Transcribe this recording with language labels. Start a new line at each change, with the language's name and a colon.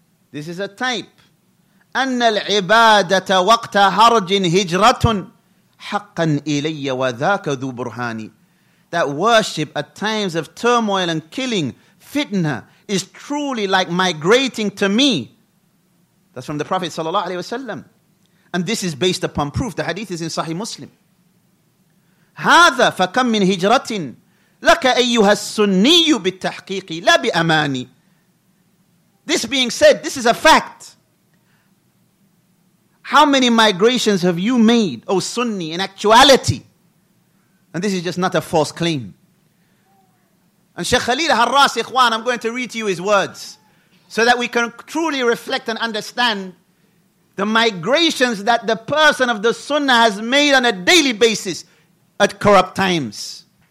English: This is a type.
Arabic: أَنَّ الْعِبَادَةَ وَقْتَ هَرْجٍ هِجْرَةٌ حَقًّا إِلَيَّ وَذَاكَ ذُو بُرْهَانِ.
English: That worship at times of turmoil and killing, fitna, is truly like migrating to me. That's from the Prophet sallallahu alaihi wasallam, and this is based upon proof. The hadith is in Sahih Muslim.
Arabic: هذا فكم من هجرة لك أيها السني بالتحقيق لا بأماني.
English: This being said, this is a fact. How many migrations have you made, O Sunni, in actuality? And this is just not a false claim. And Sheikh Khalil Harras, Ikhwan, I'm going to read to you his words so that we can truly reflect and understand the migrations that the person of the Sunnah has made on a daily basis at corrupt times.